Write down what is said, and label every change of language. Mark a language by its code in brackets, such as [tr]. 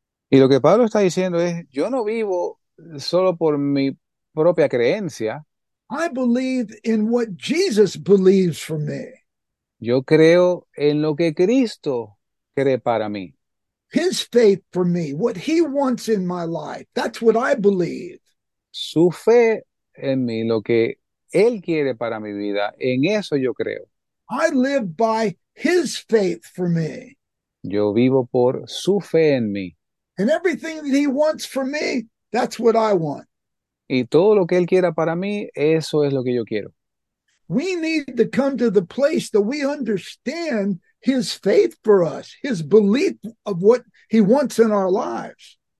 [es] Y lo que Pablo está diciendo es, yo no vivo solo por mi propia creencia. [en] I believe in what Jesus believes for me. [es] Yo creo en lo que Cristo cree para mí. [en] His faith for me, what he wants in my life, that's what I believe. [es] Su fe en mí, lo que él quiere para mi vida, en eso yo creo. [en] I live by his faith for me. [es] Yo vivo por su fe en mí. [en] And everything that he wants for me, that's what I want. [es] Y todo lo que él quiera para mí, eso es lo que yo quiero. [en] We need to come to the place that we understand his faith for us, his belief of what he wants in our lives.